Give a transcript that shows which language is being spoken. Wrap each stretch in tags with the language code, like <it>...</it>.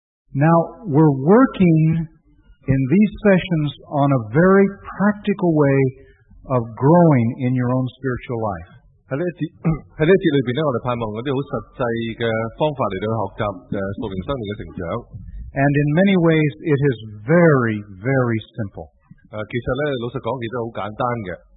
<en>Now, we're working in these sessions on a very practical way of growing in your own spiritual life.</en> <zh>在这一节里面，我们盼望一些很实际的方法来学习，说明生命的成长。</zh> <en>And in many ways, it is very, very simple.</en> <zh>其实呢，老实讲，其实很简单的。</zh>